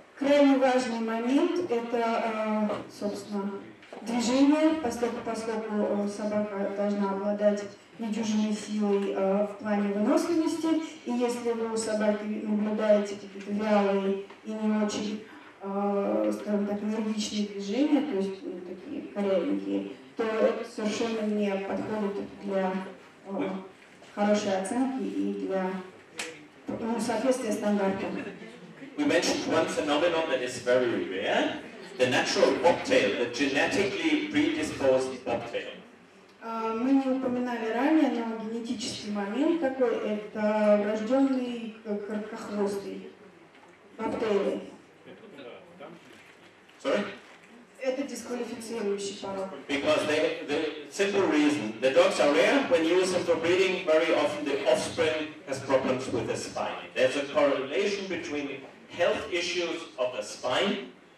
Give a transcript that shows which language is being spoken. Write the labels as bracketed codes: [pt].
[ru] Крайне важный момент – это, собственно, движение, поскольку собака должна обладать недюжинной силой в плане выносливости, и если вы у собаки наблюдаете какие-то вялые и не очень, скажем так, энергичные движения, то есть такие корявенькие, то это совершенно не подходит для хорошей оценки и для соответствия стандартам. [en] We mentioned one phenomenon that is very rare, the natural bobtail, the genetically predisposed bobtail. [ru] Мы не упоминали ранее, но генетический момент такой – это врожденный короткохвостый бобтейл. Это дисквалифицирующий порог. [en] Because the simple reason, the dogs are rare. When used for breeding, very often the offspring has problems with the spine. There's a correlation between health issues of the spine.